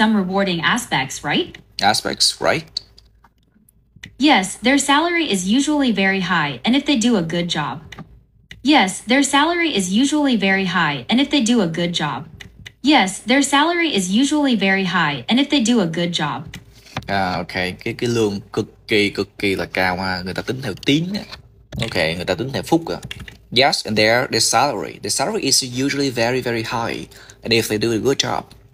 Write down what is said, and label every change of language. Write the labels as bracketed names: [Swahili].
[English] But there must be some rewarding aspects, right? Yes, their salary is usually very high, and if they do a good job. [Vietnamese] Okay, cái lương cực kỳ là cao ha, người ta tính theo tiếng á. Okay, người ta tính theo phút á. [English] Yes, and their salary is usually very very high, and if they do a good job.